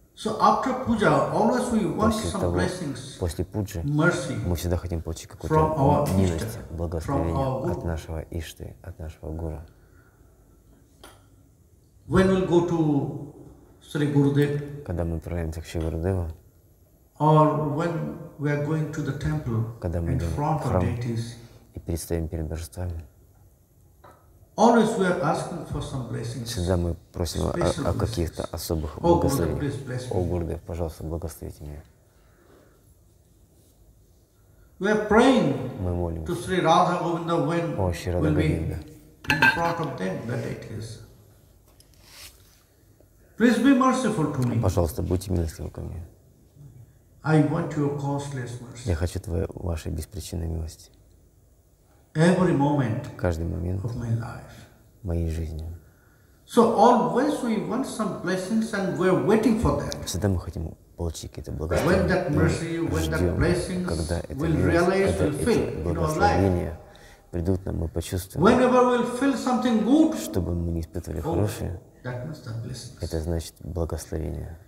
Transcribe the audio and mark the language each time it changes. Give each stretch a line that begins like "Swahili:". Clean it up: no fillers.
English: So after puja, always we want
Russian: после
English: some
Russian: того,
English: blessings,
Russian: после пуджи,
English: mercy,
Russian: мы всегда хотим получить какую-то милость, благословение от нашего Ишты, от нашего Гуру.
English: When we'll go to Sri Gurudev,
Russian: когда мы отправляемся к Шри Гурудеву,
English: or when we are going to the temple,
Russian: когда мы идем в храм и предстаем перед божествами,
English: always we are asking for some blessings.
Russian: Всегда мы просим о каких-то особых благословениях. О Гурудев, пожалуйста, благословите меня.
English: We are praying
Russian: мы молим
English: to Sri Radha Govinda when
Russian: о Шри Радха Говинда.
English: In front of them the deities. Please be merciful to me.
Russian: Пожалуйста, будьте милостивы ко мне.
English: I want your causeless mercy.
Russian: Я хочу твою вашей беспричинной милости.
English: Every moment,
Russian: каждый момент
English: of my life,
Russian: моей жизни.
English: So always we want some blessings and we're waiting for them.
Russian: Всегда мы хотим получить какие-то благословения.
English: When that mercy, when that blessings, will realize, will feel in our life.
Russian: Придут нам, мы почувствуем.
English: Whenever we'll feel something good,
Russian: чтобы мы не испытывали хорошее.
English: That means that blessings.
Russian: Это значит благословение.